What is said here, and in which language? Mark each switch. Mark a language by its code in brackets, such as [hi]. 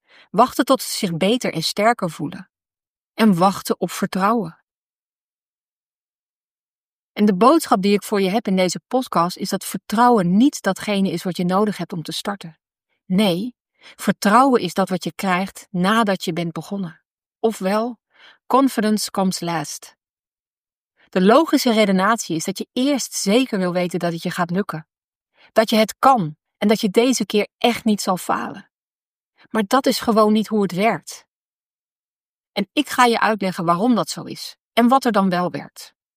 [nl] Wachten tot ze zich beter en sterker voelen. En wachten op vertrouwen. En de boodschap die ik voor je heb in deze podcast is dat vertrouwen niet datgene is wat je nodig hebt om te starten. Nee, vertrouwen is dat wat je krijgt nadat je bent begonnen. Ofwel, [en] confidence comes last. [nl] De logische redenatie is dat je eerst zeker wil weten dat het je gaat lukken. Dat je het kan en dat je deze keer echt niet zal falen. Maar dat is gewoon niet hoe het werkt. En ik ga je uitleggen waarom dat zo is en wat er dan wel werkt.